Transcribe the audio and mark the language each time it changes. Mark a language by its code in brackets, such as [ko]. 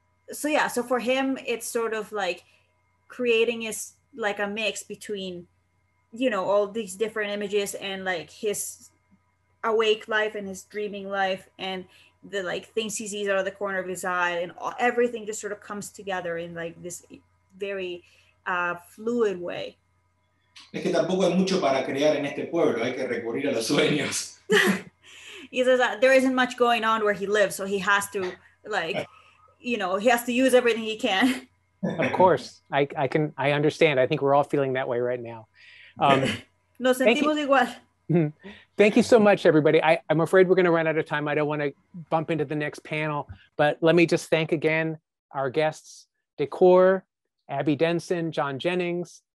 [en] So for him, it's sort of like creating is like a mix between, you know, all these different images and like his awake life and his dreaming life and the like things he sees out of the corner of his eye, and all, everything just sort of comes together in like this very fluid way. [es] Es que tampoco hay mucho para crear en este pueblo, hay que recurrir a los sueños. [en] He says that there isn't much going on where he lives, so he has to, like, you know, he has to use everything he can. Of course, I understand. I think we're all feeling that way right now. [es] Nos sentimos igual. [en] Thank you so much, everybody. I'm afraid we're going to run out of time. I don't want to bump into the next panel, but let me just thank again our guests, Decur, Abby Denson, John Jennings.